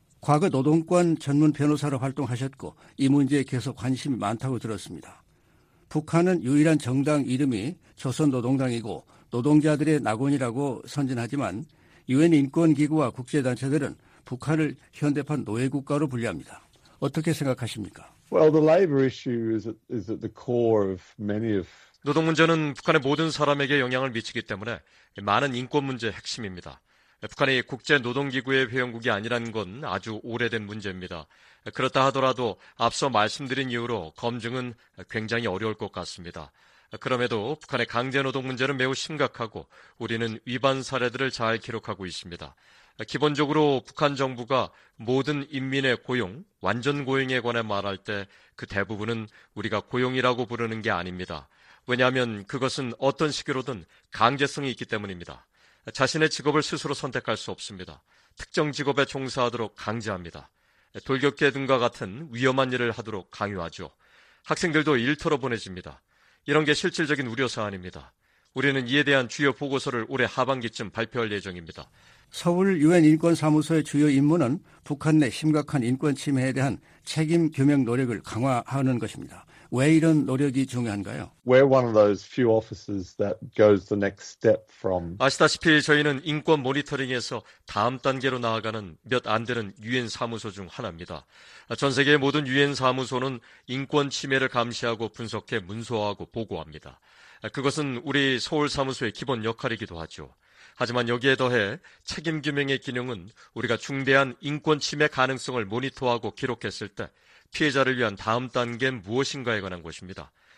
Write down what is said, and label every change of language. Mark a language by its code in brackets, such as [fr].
[ko] 과거 노동권 전문 변호사로 활동하셨고 이 문제에 계속 관심이 많다고 들었습니다. 북한은 유일한 정당 이름이 조선노동당이고 노동자들의 낙원이라고 선전하지만 유엔 인권기구와 국제단체들은 북한을 현대판 노예국가로 분류합니다. 어떻게 생각하십니까? [en] Well, the labor issue is at the core of many of [ko] 노동 문제는 북한의 모든 사람에게 영향을 미치기 때문에 많은 인권 문제의 핵심입니다. 북한이 국제노동기구의 회원국이 아니라는 건 아주 오래된 문제입니다. 그렇다 하더라도 앞서 말씀드린 이유로 검증은 굉장히 어려울 것 같습니다. 그럼에도 북한의 강제노동 문제는 매우 심각하고 우리는 위반 사례들을 잘 기록하고 있습니다. 기본적으로 북한 정부가 모든 인민의 고용, 완전 고용에 관해 말할 때 그 대부분은 우리가 고용이라고 부르는 게 아닙니다. 왜냐하면 그것은 어떤 식으로든 강제성이 있기 때문입니다. 자신의 직업을 스스로 선택할 수 없습니다. 특정 직업에 종사하도록 강제합니다. 돌격계 등과 같은 위험한 일을 하도록 강요하죠. 학생들도 일터로 보내집니다. 이런 게 실질적인 우려 사안입니다. 우리는 이에 대한 주요 보고서를 올해 하반기쯤 발표할 예정입니다. 서울 유엔 인권사무소의 주요 임무는 북한 내 심각한 인권 침해에 대한 책임 규명 노력을 강화하는 것입니다. 왜 이런 노력이 중요한가요? [en] We're one of those few offices that goes the next step from [ko] 아시다시피 저희는 인권 모니터링에서 다음 단계로 나아가는 몇 안 되는 유엔 사무소 중 하나입니다. 전 세계 모든 유엔 사무소는 인권 침해를 감시하고 분석해 문서화하고 보고합니다. 그것은 우리 서울 사무소의 기본 역할이기도 하죠. 하지만 여기에 더해 책임 규명의 기능은 우리가 중대한 인권 침해 가능성을 모니터하고 기록했을 때 피해자를 위한 다음 단계 무엇인가에 관한 것입니다.